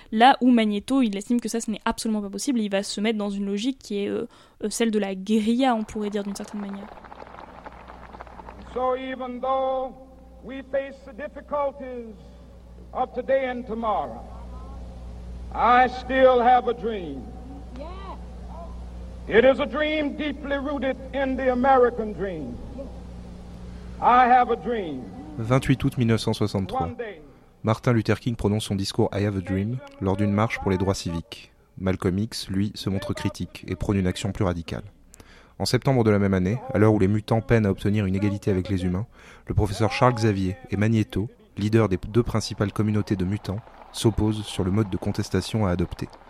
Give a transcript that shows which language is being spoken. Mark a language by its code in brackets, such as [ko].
[fr] Là où Magneto, il estime que ça, ce n'est absolument pas possible, il va se mettre dans une logique qui est celle de la guérilla, on pourrait dire, d'une certaine manière. [en] So even though we face the difficulties of today and tomorrow, I still have a dream. It is a dream deeply rooted in the American dream. I have a dream. [fr] 28 août 1963. Martin Luther King prononce son discours I have a dream lors d'une marche pour les droits civiques. Malcolm X, lui, se montre critique et prône une action plus radicale. En septembre de la même année, à l'heure où les mutants peinent à obtenir une égalité avec les humains, le professeur Charles Xavier et Magneto, leader des deux principales communautés de mutants, s'opposent sur le mode de contestation à adopter.